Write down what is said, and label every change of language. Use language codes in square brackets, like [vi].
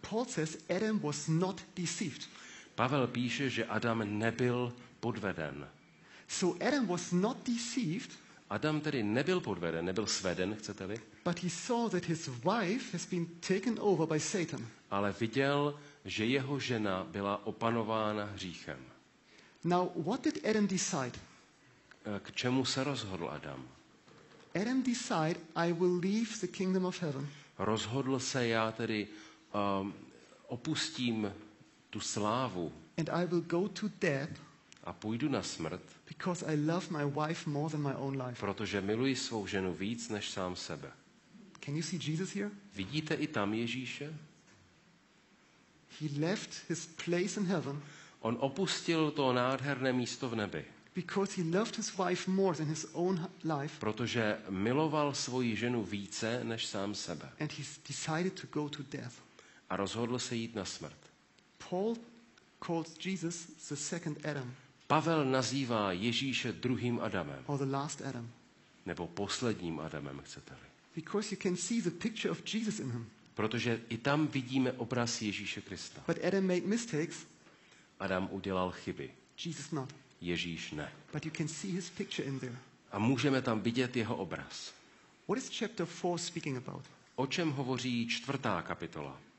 [en] Paul says Adam was not deceived. [cs] Pavel píše, že Adam nebyl podveden. [en] So Adam was not deceived. [cs] Adam tedy nebyl podveden, nebyl sveden, chcete-li? [en] But he saw that his wife has been taken over by Satan. [cs] Ale viděl, že jeho žena byla opanována hříchem. [en] Now what did Adam decide? [cs] K čemu se rozhodl Adam? [en] Adam decided I will leave the kingdom of heaven. [cs] Rozhodl se, já tedy opustím tu slávu. [en] And I will go to death. [cs] A půjdu na smrt. [en] Because I love my wife more than my own life. [cs] Protože miluji svou ženu víc než sám sebe. [en] Can you see Jesus here? [cs] Vidíte i tam Ježíše? [en] He left his place in heaven. [cs] On opustil to nádherné místo v nebi. [en] Because he loved his wife more than his own life. [cs] Protože miloval svoji ženu více než sám sebe. [en] And he decided to go to death. [cs] A rozhodl se jít na smrt. [en] Paul calls Jesus the second Adam. [cs] Pavel nazývá Ježíše druhým Adamem. [en] Or the last Adam. [cs] Nebo posledním Adamem, chcete-li. [en] Because you can see the picture of Jesus in him. [cs] Protože i tam vidíme obraz Ježíše Krista. [en] But Adam made mistakes. [cs] Adam udělal chyby. [en] Jesus not. [cs] Ježíš ne. [en] But you can see his picture in there. [cs] A můžeme tam vidět jeho obraz. [en] What is chapter 4 speaking about? [cs] O čem hovoří čtvrtá kapitola?